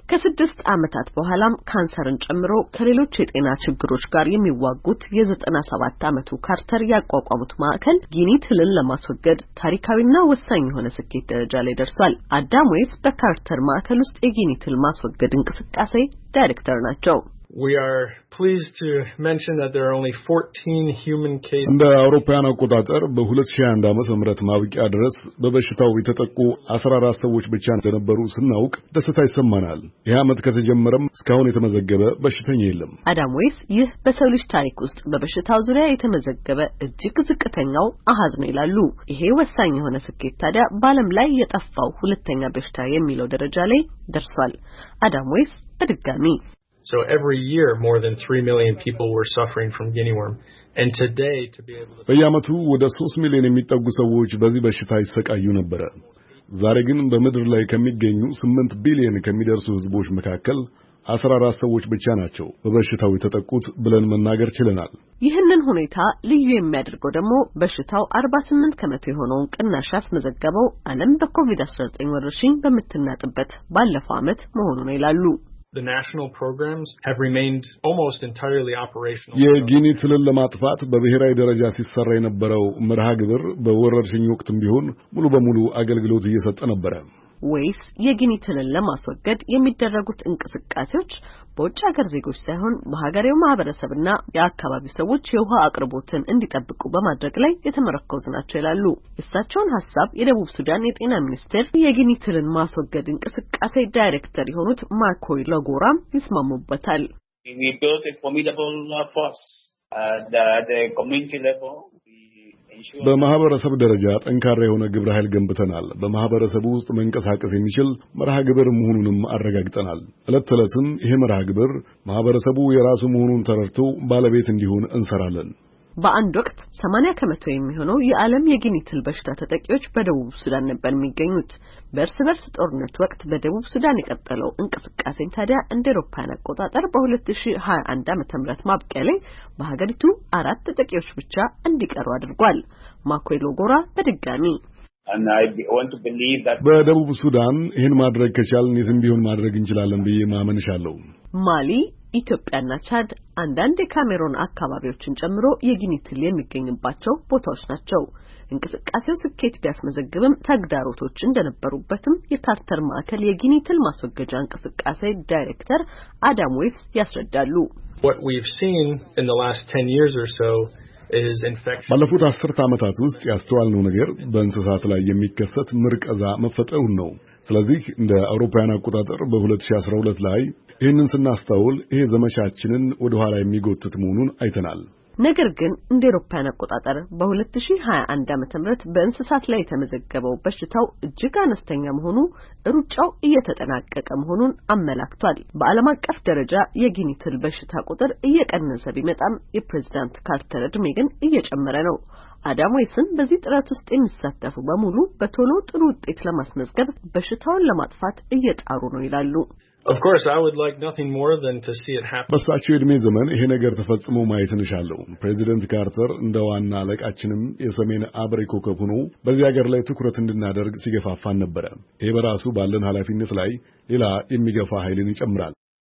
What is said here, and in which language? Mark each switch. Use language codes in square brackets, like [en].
[am] ከስድስት አመታት በኋላም ካንሰርን ጨምሮ ከሌሎች የጤና ችግሮች ጋር የሚዋጉት የ97 አመቱ ካርተር ያቋቋሙት ማዕከል ጊኒትልን ለማስወገድ ታሪካዊና ወሳኝ የሆነ ስኬት ደረጃ ላይ ደርሷል። አዳም ዌስ በካርተር ማዕከል ውስጥ የጊኒትል ማስወገድ እንቅስቃሴ ዳይሬክተር ናቸው። [en] We are pleased to mention that there are only 14 human cases. [am] እንደ አውሮፓውያን አቆጣጠር በ2001 ዓመተ ምህረት ማብቂያ ድረስ በበሽታው የተጠቁ 14 ሰዎች ብቻ እንደነበሩ ስናውቅ ደስታ ይሰማናል። ይህ አመት ከተጀመረም እስካሁን የተመዘገበ በሽተኛ የለም። አዳም ወይስ ይህ በሰው ልጅ ታሪክ ውስጥ በበሽታው ዙሪያ የተመዘገበ እጅግ ዝቅተኛው አሃዝ ነው ይላሉ። ይሄ ወሳኝ የሆነ ስኬት ታዲያ በአለም ላይ የጠፋው ሁለተኛ በሽታ የሚለው ደረጃ ላይ ደርሷል። አዳም ወይስ በድጋሚ [en] So every year more than 3 million people were suffering from guinea worm and today to be able to [am] በየአመቱ ወደ 3 ሚሊዮን የሚጠጉ ሰዎች በዚህ በሽታ ይሰቃዩ ነበር። ዛሬ ግን በመድር ላይ ከሚገኙ 8 ቢሊዮን ከሚደርሱ ህዝቦች መካከል 14 ሰዎች ብቻ ናቸው በበሽታው የተጠቁት ብለን መናገር ይችላል። ይህንን ሁኔታ ልዩ የሚያደርገው ደግሞ በሽታው 48 ከመቶ የሆነውን ቅናሽ አስመዘገበው ዓለም በኮቪድ-19 ወረርሽኝ በመተናጠበት ባለፈው አመት መሆኑ ነው ይላሉ። [en] The national programs have remained almost entirely operational. [am] የጊኒ ትልል ለማጥፋት በብሔራዊ ደረጃ ሲሰራ የነበረው መርሃ ግብር በወረርሽኝ ወቅትም ቢሆን ሙሉ በሙሉ አገልግሎት እየሰጠ ነበር። ወይስ የጊኒ ትልል ለማስወገድ የሚደረጉት እንቅስቃሴዎች በውጭ ሀገር ዜጎች ሳይሆን በሀገሬው ማህበረሰብና የአካባቢው ሰዎች የውሃ አቅርቦትን እንዲጠብቁ በማድረግ ላይ የተመረኮዙ ናቸው ይላሉ። እሳቸውን ሐሳብ የደቡብ ሱዳን የጤና ሚኒስቴር የጊኒ ትልል ማስወገድ እንቅስቃሴ ዳይሬክተር የሆኑት ማኮይ ለጎራም ይስማሙበታል። [en] We built a formidable force at the community level. [am] በማህበረሰብ ደረጃ ጠንካራ የሆነ ግብረ ኃይል ገንብተናል። በማህበረሰቡ ውስጥ መንቀሳቀስ የሚችል መርሃ ግብር መሆኑንም አረጋግጠናል። ዕለት ተዕለትም ይሄ መርሃ ግብር ማህበረሰቡ የራሱ መሆኑን ተረድቶ ባለቤት እንዲሆን እንሰራለን። በአንድ ወቅት 80 ከመቶ የሚሆነው የዓለም የጊኒ ትል በሽታ ተጠቂዎች በደቡብ ሱዳን ነበር የሚገኙት። በርስ በርስ ጦርነት ወቅት በደቡብ ሱዳን የቀጠለው እንቅስቃሴ ታዲያ እንደ አውሮፓውያን አቆጣጠር በ2021 ዓመተ ምህረት ማብቂያ ላይ በሀገሪቱ 4 ተጠቂዎች ብቻ እንዲቀሩ አድርጓል። ማኮይሎ ጎራ በድጋሚ በደቡብ ሱዳን ይህን ማድረግ ከቻልን ይህን ቢሆን ማድረግ እንችላለን ብዬ ማመንሻለሁ። ማሊ ኢትዮጵያና ቻድ አንዳንድ የካሜሮን አካባቢዎችን ጨምሮ የጊኒ ትል የሚገኝባቸው ቦታዎች ናቸው። እንቅስቃሴው ስኬት ቢያስመዘግብም ተግዳሮቶች እንደነበሩበትም የታርተር ማዕከል የጊኒ ትል ማስወገጃ እንቅስቃሴ ዳይሬክተር አዳም ወይስ ያስረዳሉ። [en] What we've seen in the last 10 years or so is infection. [am] ባለፉት 10 ዓመታት ውስጥ ያስተዋልነው ነገር በእንስሳት ላይ የሚከሰት ምርቀዛ መፈጠሩ ነው። ስለዚህ እንደ አውሮፓውያን አቆጣጠር በ2012 ላይ ይህንን ስናስተውል ይሄ ዘመቻችንን ወደ ኋላ የሚጎትት መሆኑን አይተናል። ነገር ግን እንደ አውሮፓውያን አቆጣጠር በ2021 ዓመተ ምህረት በእንስሳት ላይ ተመዘገበው በሽታው እጅግ አነስተኛ መሆኑ ሩጫው እየተጠናቀቀ መሆኑን አመላክቷል። በዓለም አቀፍ ደረጃ የጊኒ ትል በሽታ ቁጥር እየቀነሰ ቢመጣም የፕሬዝዳንት ካርተር እድሜ ግን እየጨመረ ነው። አዳም ወይስን በዚህ ጥረት ውስጥ የሚሳተፉ በሙሉ በቶሎ ጥሩ ውጤት ለማስመዝገብ በሽታውን ለማጥፋት እየጣሩ ነው ይላሉ። [en] Of course I would like nothing more than to see it happen. [am] በሳቸው እድሜ ዘመን ይሄ ነገር ተፈጽሞ ማየት እንሻለሁ። ፕሬዚደንት ካርተር እንደዋና አለቃችንም የሰሜን አፍሪካ ከሆኑ በዚህ ሀገር ላይ ትኩረት እንድናደርግ ሲገፋፋን ነበር። ይሄ በራሱ ባለን ኃላፊነት ላይ ሌላ የሚገፋ ኃይልን ይጨምራል።